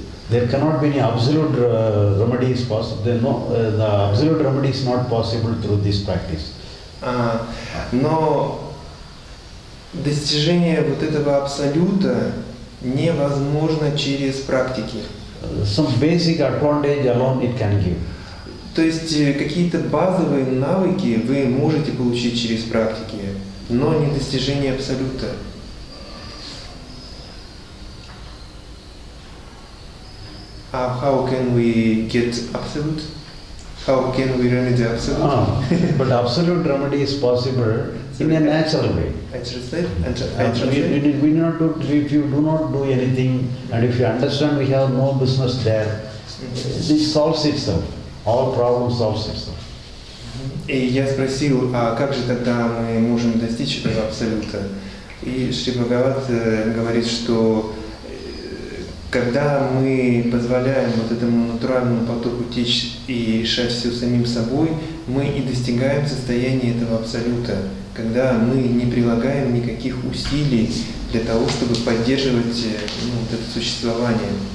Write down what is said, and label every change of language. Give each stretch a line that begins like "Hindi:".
English: there cannot be any absolute remedy is possible. No, the absolute remedy is not possible through this practice.
Russian: Но достижение вот этого абсолюта невозможно через практики.
English: Some basic advantage alone it can give.
Russian: То есть какие-то базовые навыки вы можете получить через практики, но не достижение абсолюта.
English: How can we get absolute? How can we remedy absolute? But absolute remedy is possible in a natural way. If you do not do anything and if you understand we have no business there, this solves itself. All problems solves itself.
Russian: И я спросил, а как же тогда мы можем достичь этого абсолюта? И Шри Бхагават говорит, что когда мы позволяем вот этому натуральному потоку течь и решать все самим собой, мы и достигаем состояния этого абсолюта, когда мы не прилагаем никаких усилий для того, чтобы поддерживать вот это существование.